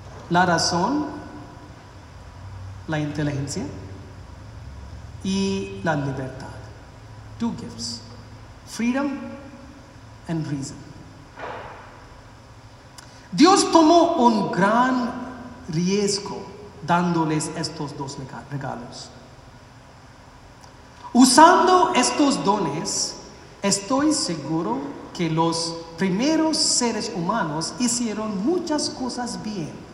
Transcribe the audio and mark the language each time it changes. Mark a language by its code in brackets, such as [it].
[es] La razón, la inteligencia y la libertad. [en] Two gifts, freedom and reason. [es] Dios tomó un gran riesgo dándoles estos dos regalos. Usando estos dones, estoy seguro que los primeros seres humanos hicieron muchas cosas bien.